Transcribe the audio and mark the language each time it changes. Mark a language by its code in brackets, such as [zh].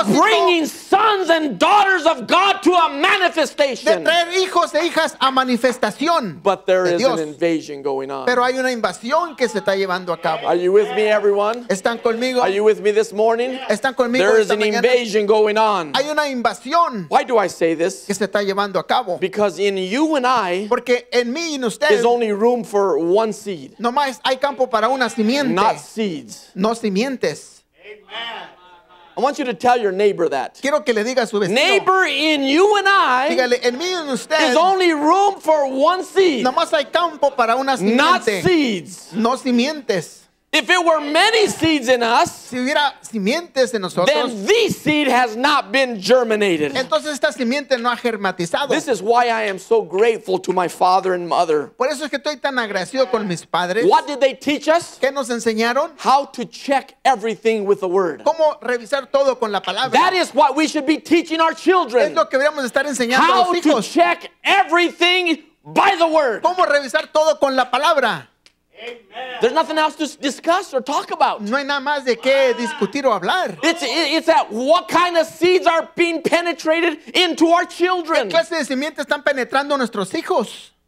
[en] of bringing sons and daughters of God to a manifestation, [es] de traer hijos e hijas a manifestación, [en] but there is an invasion going on, [es] pero hay una invasión que se está llevando a cabo. [en] Are you with me, everyone? [es] ¿Están conmigo? [en] Are you with me this morning? [es] ¿Están conmigo? [en] There is an invasion going on. [es] Hay una invasión. [en] Why do I say this? [es] Que se está llevando a cabo. [en] Because in you and I, [es] porque en mí y en usted, [en] is only room for one seed. [es] No más hay campo para una simiente. [en] Not seeds. [es] No simientes. [en] Amen. I want you to tell your neighbor that. [es] Quiero que le diga a su vecino. [en] Neighbor, in you and I, [es] dígale, en mí y en usted, [en] is only room for one seed. [es] No más hay campo para una simiente. [en] Not seeds. [es] No simientes. [en] If it were many seeds in us, [es] si hubiera simientes en nosotros, [en] then this seed has not been germinated. [es] Entonces esta simiente no ha germatizado. [en] This is why I am so grateful to my father and mother. [es] Por eso es que estoy tan agradecido con mis padres. [en] What did they teach us? [es] ¿Qué nos enseñaron? [en] How to check everything with the word. [es] ¿Cómo revisar todo con la palabra? [en] That is what we should be teaching our children. [es] Es lo que deberíamos estar enseñando a los hijos. [en] How to check everything by the word. [es] ¿Cómo revisar todo con la palabra? [en] Amen. There's nothing else to discuss or talk about. [es] No hay nada más de qué discutir o hablar. [en] It's that what kind of seeds are being penetrated into our children. [es] ¿Qué clase de simientes están penetrando nuestros hijos?